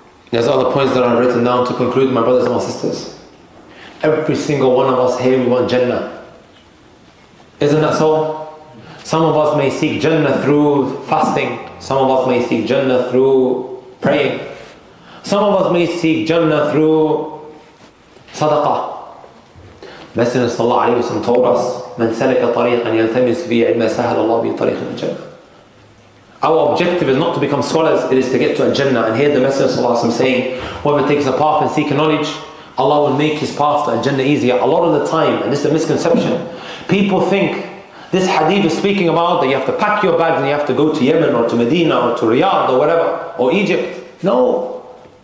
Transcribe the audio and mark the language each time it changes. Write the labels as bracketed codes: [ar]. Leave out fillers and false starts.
[en] There's other points that I've written down to conclude, my brothers and my sisters. Every single one of us here, we want Jannah. Isn't that so? Some of us may seek Jannah through fasting. Some of us may seek Jannah through praying. Some of us may seek Jannah through sadaqah. Messenger sallallahu alayhi wa sallam told us, [ar] من سلك طريقا يلتمس فيه علم سهل الله به طريق الجنة. [en] Our objective is not to become scholars, it is to get to Al-Jannah. And here the Messenger sallallahu alayhi wa sallam saying, whoever takes a path and seeks knowledge, Allah will make his path to Al-Jannah easier. A lot of the time, and this is a misconception, people think this hadith is speaking about that you have to pack your bags and you have to go to Yemen or to Medina or to Riyadh or whatever, or Egypt. No.